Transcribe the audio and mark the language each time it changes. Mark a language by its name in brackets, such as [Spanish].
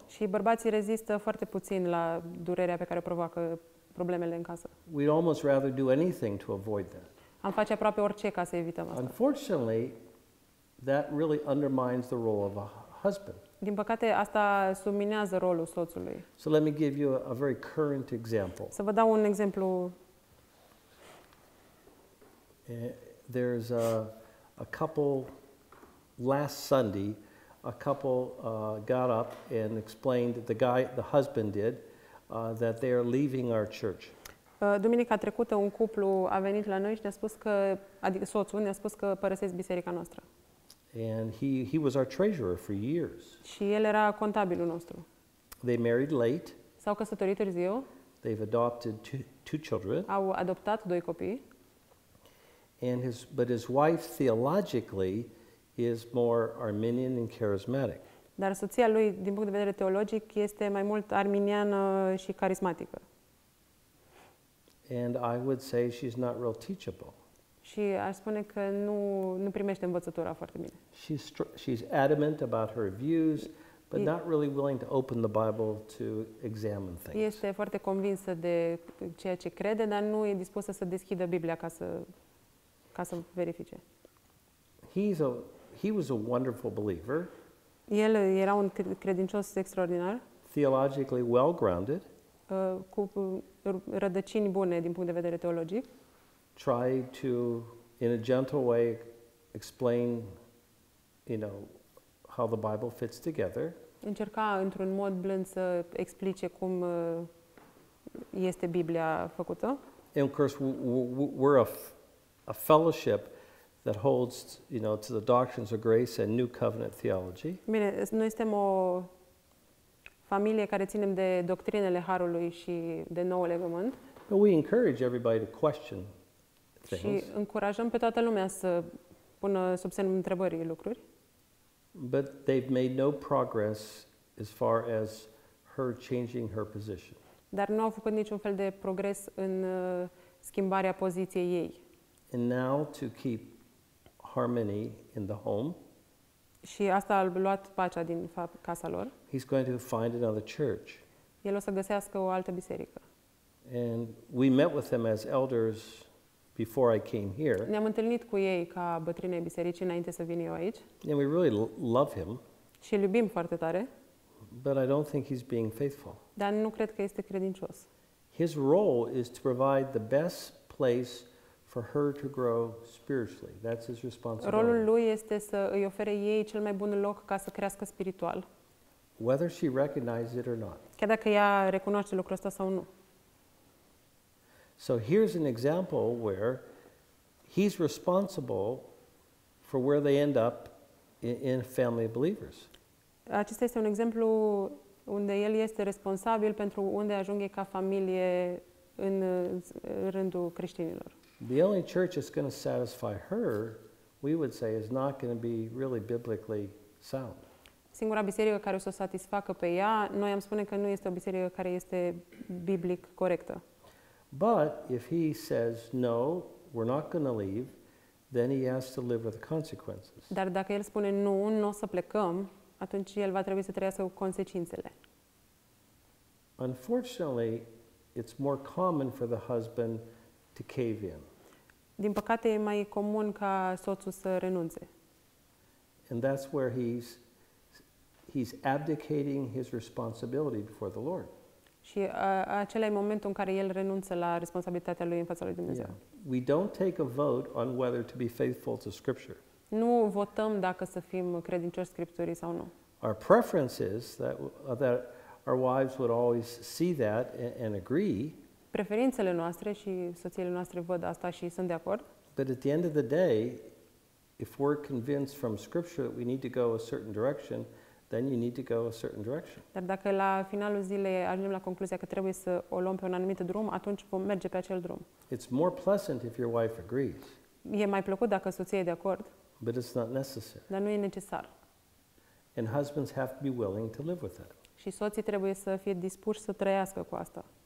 [Romanian] Și bărbații rezistă foarte puțin la durerea pe care o provoacă problemele în casă. [English] We'd almost rather do anything to avoid that. [Romanian] Am face aproape orice ca să evităm asta. [English] Unfortunately, that really undermines the role of a husband. [Romanian] Din păcate, asta subminează rolul soțului. [English] So let me give you a very current example. [Romanian] Să vă dau un exemplu. [English] There's a couple last Sunday, a couple got up and explained that the husband did that they are leaving our church. [Romanian] Duminica trecută un cuplu a venit la noi și ne-a spus că, adică soțul ne-a spus că părăsesc biserica noastră. [English] And he was our treasurer for years. [Romanian] Și el era contabilul nostru. [English] They married late. [Romanian] S-au căsătorit târziu. [English] They've adopted two children. [Romanian] Au adoptat doi copii. [English] And his wife theologically is more Arminian and charismatic. [Romanian] Dar soția lui din punct de vedere teologic este mai mult arminiană și carismatică. [English] And I would say she's not real teachable. [Romanian] Și aș spune că nu primește învățătura foarte bine. [English] She's adamant about her views, but not really willing to open the Bible to examine things. [Romanian] Este foarte convinsă de ceea ce crede, dar nu e dispusă să deschidă Biblia ca să verifice. [English] He was a wonderful believer. [Romanian] El era un credincios extraordinar. [English] Theologically well grounded. [Romanian] Cu rădăcini bune din punct de vedere teologic. [English] Try to, in a gentle way, explain, you know, how the Bible fits together. [Romanian] Încerca într-un mod blând să explice cum este Biblia făcută. [English] And of course, we're a fellowship that holds, you know, to the doctrines of grace and new covenant theology. [Romanian] Bine, noi suntem o familie care ținem de doctrinele Harului și de nou legământ. [English] But we encourage everybody to question. [Romanian] Și încurajăm pe toată lumea să pună sub semnul întrebării lucruri. [English] But they've made no progress as far as her changing her position. [Romanian] Dar nu au făcut niciun fel de progres în schimbarea poziției ei. [English] And now to keep harmony in the home. [Romanian] Și asta a luat pacea din casa lor. [English] He's going to find another church. [Romanian] El o să găsească o altă biserică. [English] And we met with them as elders before I came here. [Romanian] Ne-am întâlnit cu ei ca bătrâni ai bisericii înainte să vin eu aici. [English] And we really love him. [Romanian] Și îl iubim foarte tare. [English] But I don't think he's being faithful. [Romanian] Dar nu cred că este credincios. [English] His role is to provide the best place for her to grow spiritually. That's his responsibility. [Romanian] Rolul lui este să îi ofere ei cel mai bun loc ca să crească spiritual. [English] Whether she recognizes it or not. [Romanian] Chiar dacă ea recunoaște lucrul ăsta sau nu. [English] So here's an example where he's responsible for where they end up in family of believers. [Romanian] Acesta este un exemplu unde el este responsabil pentru unde ajunge ca familie în rândul creștinilor. [English] The only church that's going to satisfy her, we would say, is not going to be really biblically sound. [Romanian] Singura biserică care o să o satisfacă pe ea, noi am spune că nu este o biserică care este biblic corectă. [English] But if he says no, we're not going to leave, then he has to live with the consequences. [Romanian] Dar dacă el spune nu, nu o să plecăm, atunci el va trebui să trăiască cu consecințele. [English] Unfortunately, it's more common for the husband to cave in. [Romanian] Din păcate, e mai comun ca soțul să renunțe. [English] And that's where he's abdicating his responsibility before the Lord. [Romanian] Și acela e momentul în care el renunță la responsabilitatea lui în fața lui Dumnezeu. [English] Yeah. we don't take a vote on whether to be faithful to Scripture. [Romanian] Nu votăm dacă să fim credincioși Scripturii sau nu. [English] Our preference is that our wives would always see that and agree. [Romanian] Preferințele noastre și soțiile noastre văd asta și sunt de acord. [English] But at the end of the day, if we're convinced from Scripture that we need to go a certain direction, then you need to go a certain direction. [Romanian] Dar dacă la finalul zilei ajungem la concluzia că trebuie să o luăm pe un anumit drum, atunci vom merge pe acel drum. [English] It's more pleasant if your wife agrees. [Romanian] E mai plăcut dacă soția e de acord. [English] But it's not necessary. [Romanian] Dar nu e necesar. [English] And husbands have to be willing to live with that. [Romanian] Și soții trebuie să fie dispuși să trăiască cu asta.